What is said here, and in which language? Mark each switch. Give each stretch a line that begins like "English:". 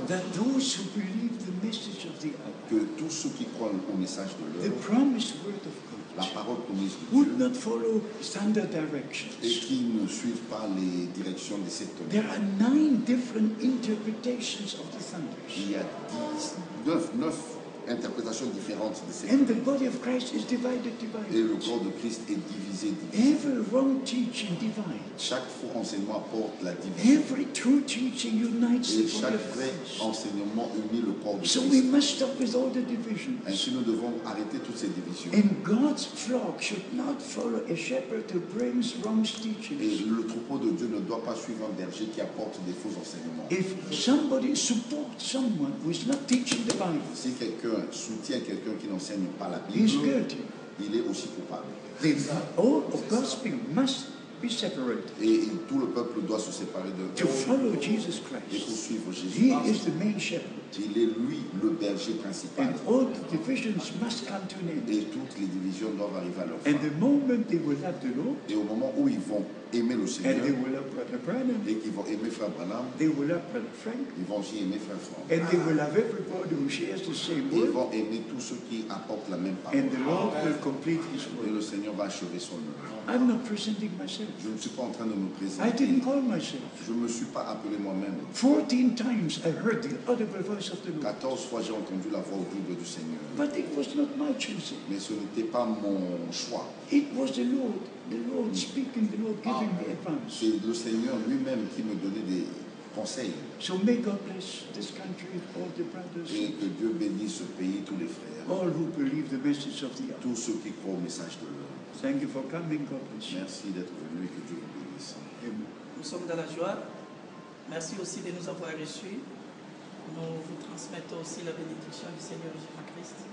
English: That those who believe the message of the hour.
French: Que tous ceux qui croient au message de l'heure.
English: The promised word of God.
French: La parole promise de Dieu.
English: Would not follow standard directions.
French: Et qui ne suivent pas les directions des sept tonnes.
English: There are 9 different interpretations of the thunders.
French: Il y a 9 interprétations différentes de ces.
English: And the body of Christ is divided.
French: Et le corps de Christ est divisé.
English: Every wrong teaching divides.
French: Chaque faux enseignement apporte la division.
English: Every true teaching unites the body.
French: Et chaque vrai enseignement unit le corps de Christ.
English: So we must stop with all the divisions.
French: Ainsi nous devons arrêter toutes ces divisions.
English: And God's flock should not follow a shepherd who brings wrong teachings.
French: Et le troupeau de Dieu ne doit pas suivre un berger qui apporte des faux enseignements.
English: If somebody supports someone who is not teaching the Bible.
French: Si quelqu'un soutient quelqu'un qui n'enseigne pas la Bible, il est aussi coupable.
English: All of God's people must be separated.
French: Et tout le peuple doit se séparer de.
English: To follow Jesus Christ.
French: Et pour suivre Jésus.
English: He is the main shepherd.
French: Il est lui le berger principal.
English: And all the divisions must come to an end.
French: Et toutes les divisions doivent arriver à leur fin.
English: And the moment they will love the Lord.
French: Et au moment où ils vont aimer le Seigneur.
English: And they will love Brother Branham.
French: Et qu'ils vont aimer Frère Branham.
English: They will love Brother Frank.
French: Ils vont aussi aimer Frère Frank.
English: And they will love everybody who shares the same word.
French: Ils vont aimer tous ceux qui apportent la même parole.
English: And the Lord will complete his work.
French: Et le Seigneur va achever son œuvre.
English: I'm not presenting myself.
French: Je ne suis pas en train de me présenter.
English: I didn't call myself.
French: Je ne me suis pas appelé moi-même.
English: 14 times I heard the audible voice. voice of the Lord.
French: 14 fois j'ai entendu la voix audible du Seigneur.
English: But it was not my choosing.
French: Mais ce n'était pas mon choix.
English: It was the Lord speaking, the Lord giving me advice.
French: C'est le Seigneur lui-même qui me donnait des conseils.
English: So may God bless this country, all the brothers.
French: Et que Dieu bénisse ce pays, tous les frères.
English: All who believe the message of the Lord.
French: Tous ceux qui croient au message de l'homme.
English: Thank you for coming, God bless.
French: Merci d'être venu et que Dieu vous bénisse. Amen. Nous sommes dans la joie. Merci aussi de nous avoir reçus. Nous vous transmettons aussi la bénédiction du Seigneur Jésus-Christ.